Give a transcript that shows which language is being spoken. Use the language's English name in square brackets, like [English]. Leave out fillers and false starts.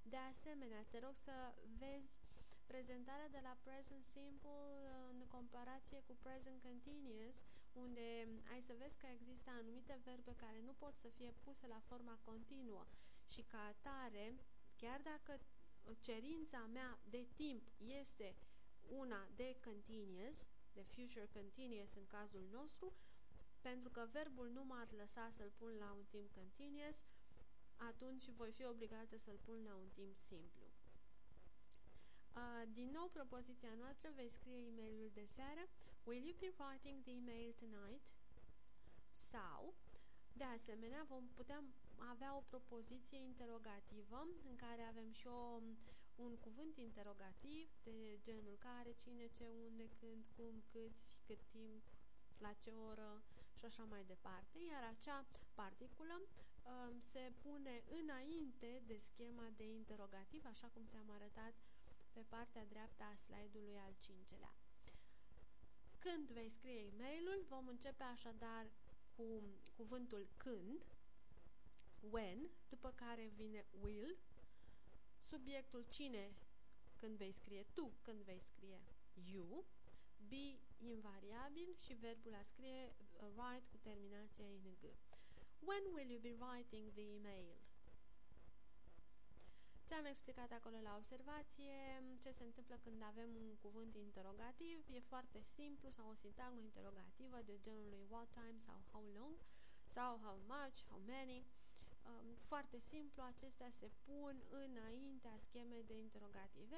[Romanian] De asemenea, te rog să vezi prezentarea de la Present Simple în comparație cu Present Continuous, unde ai să vezi că există anumite verbe care nu pot să fie puse la forma continuă și ca atare, chiar dacă cerința mea de timp este una de continuous, de future continuous în cazul nostru, pentru că verbul nu m-ar lăsa să-l pun la un timp continuous, atunci voi fi obligată să-l pun la un timp simplu. Din nou, propoziția noastră, vei scrie e-mailul de seară. [English] Will you be writing the email tonight? [Romanian] Sau, de asemenea, vom putea avea o propoziție interrogativă în care avem și un cuvânt interrogativ de genul care, cine, ce, unde, când, cum, cât timp, la ce oră și așa mai departe. Iar acea particulă se pune înainte de schema de interrogativ, așa cum ți-am arătat pe partea dreaptă a slide-ului al cincelea. Când vei scrie e-mailul, vom începe așadar cu cuvântul când, when, după care vine will, subiectul cine, când vei scrie tu, când vei scrie you, be invariabil și verbul a scrie write cu terminația ing. [English] When will you be writing the email? [Romanian] Ți-am explicat acolo la observație ce se întâmplă când avem un cuvânt interrogativ. E foarte simplu, sau o sintagmă interrogativă de genul [English] what time [Romanian] sau [English] how long [Romanian] sau [English] how much, how many. [Romanian] Foarte simplu, acestea se pun înaintea schemei de interrogative.